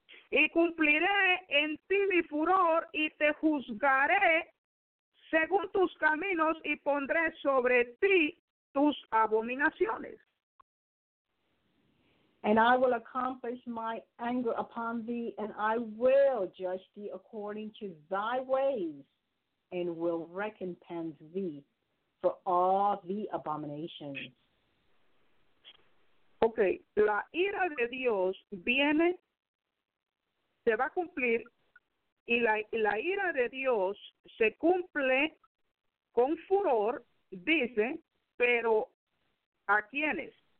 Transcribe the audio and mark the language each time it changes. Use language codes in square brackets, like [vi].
[es] Y cumpliré en ti mi furor y te juzgaré según tus caminos y pondré sobre ti tus abominaciones. [en] And I will accomplish my anger upon thee and I will judge thee according to thy ways and will recompense thee for all the abominations. [es] Ok, la ira de Dios viene, se va a cumplir, y la ira de Dios se cumple con furor, dice, pero ¿a quiénes?